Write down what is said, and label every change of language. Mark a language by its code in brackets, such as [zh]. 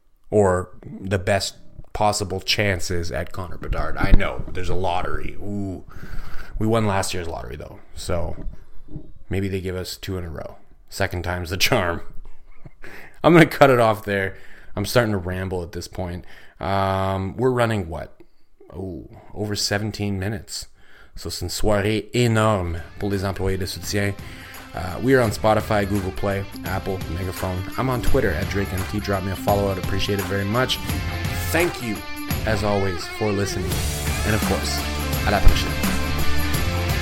[en] Or the best possible chances at Connor Bedard. I know. There's a lottery. Ooh. We won last year's lottery, though. So maybe they give us two in a row. Second time's the charm. I'm going to cut it off there. I'm starting to ramble at this point. We're running what? Oh, over 17 minutes. [fr] So c'est une soirée énorme pour les employés de soutien. [en] We are on Spotify, Google Play, Apple, Megaphone. I'm on Twitter at DrakeMT. Drop me a follow. I'd appreciate it very much. Thank you, as always, for listening. And of course, [fr] à la prochaine.